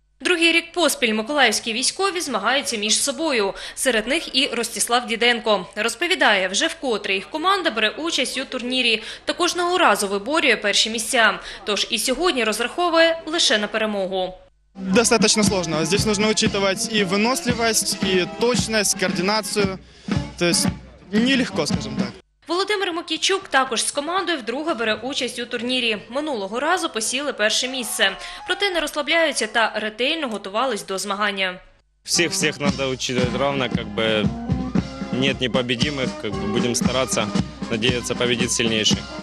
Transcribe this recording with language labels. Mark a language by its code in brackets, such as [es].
[uk] Другий рік поспіль миколаївські військові змагаються між собою. Серед них і Ростислав Діденко. Розповідає, вже вкотре їх команда бере участь у турнірі та кожного разу виборює перші місця. Тож і сьогодні розраховує лише на перемогу. [ru] Достаточно сложно. Здесь нужно учитывать и выносливость, и точность, координацию. То есть нелегко, скажем так. [uk] Володимир Мокійчук також з командою вдруге бере участь у турнірі. Минулого разу посіли перше місце. Проте не розслабляються та ретельно готувались до змагання. Всіх треба вчити рівно, як би ні непобідимих, як би будемо старатися, сподіватися побідити сильніших.